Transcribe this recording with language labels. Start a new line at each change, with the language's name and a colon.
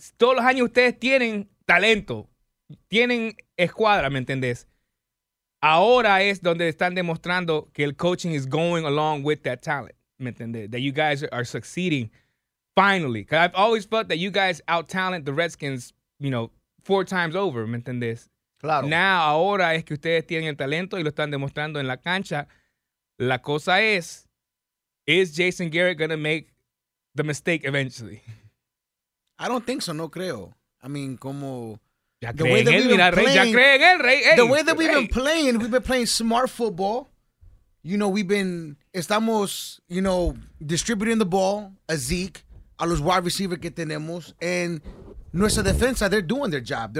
Spanish: Todos los años ustedes tienen talento. Tienen escuadra, ¿me entendés? Ahora es donde están demostrando que el
English: coaching is going along with that talent.
Spanish: ¿Me entendés?
English: That you guys are succeeding finally. Because I've always felt that you guys out-talent the Redskins, you know, 4 times over.
Spanish: ¿Me entendés? Claro. Now, ahora es que ustedes tienen el talento y lo están demostrando en la cancha. La cosa es...
English: Is Jason Garrett going to make the mistake eventually? I don't think so,
Spanish: no creo.
English: I mean, como...
Spanish: Ya cree en él, mira, Rey, ya cree en él, Rey.
English: The way that we've been playing smart football. You know,
Spanish: estamos,
English: you know, distributing the ball,
Spanish: a Zeke, a los
English: wide receivers
Spanish: que tenemos,
English: and
Spanish: nuestra defensa,
English: they're doing their job.